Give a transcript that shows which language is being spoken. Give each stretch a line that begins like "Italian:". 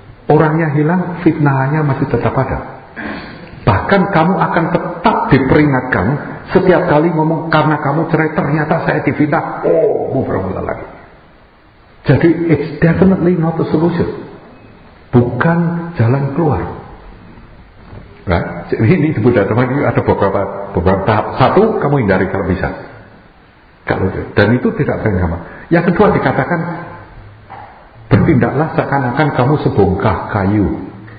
Indonesian: Orangnya hilang, fitnahnya masih tetap ada. Bahkan kamu akan tetap diperingatkan setiap kali ngomong karena kamu cerai ternyata saya difitnah. Oh, mau bermula lagi. Jadi
English: it's definitely not a solution.
Indonesian: Bukan jalan keluar. Right? Ini di Buddha Dharma ini ada beberapa tahap. Satu, kamu hindari kalau bisa. Dan itu tidak sama. Yang kedua dikatakan bertindaklah seakan-akan kamu sebongkah kayu.